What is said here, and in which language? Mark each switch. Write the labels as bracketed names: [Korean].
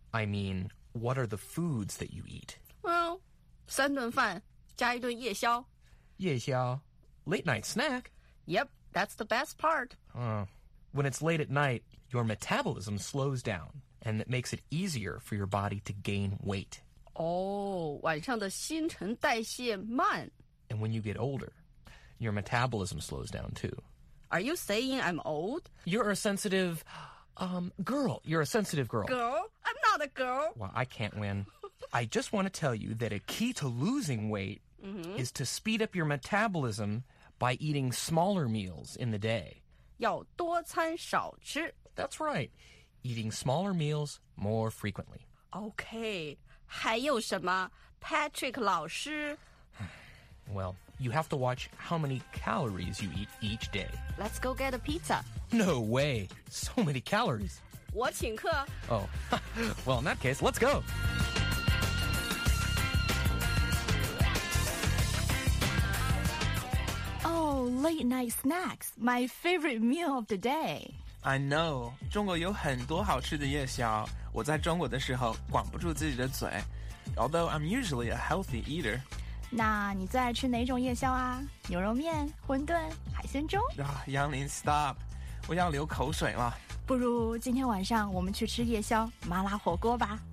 [English] I mean, what are the foods that you eat? [Chinese] Well, 三顿饭加一顿夜宵。 [English] 夜宵。Late night snack. Yep, that's the best part. When it's late at night, your metabolism slows down, and it makes it easier for your body to gain weight. [Chinese] Oh, 晚上的新陈代谢慢。 [English] And when you get older, your metabolism slows down too. Are you saying I'm old? You're a sensitive, girl. You're a sensitive girl. Girl? I'm not a girl. Well, I can't win. I just want to tell you that a key to losing weight、is to speed up your metabolism... By eating smaller meals in the day. [Chinese] 要多餐少吃。 [English] That's right. Eating smaller meals more frequently. [Chinese] Okay. 还有什么 Patrick 老师 [English] Well, you have to watch how many calories you eat each day. Let's go get a pizza. No way. So many calories. [Chinese] 我请客。 [English] Oh. Well, in that case, let's go. Late night snacks, my favorite meal of the day. I know, [Chinese] 中国有很多好吃的夜宵。我在中国的时候管不住自己的嘴。 [English] Although I'm usually a healthy eater. [Chinese] 那你最爱吃哪种夜宵啊？牛肉面、馄饨、海鲜粥？啊，杨林 ，stop！ 我要流口水了。不如今天晚上我们去吃夜宵，麻辣火锅吧。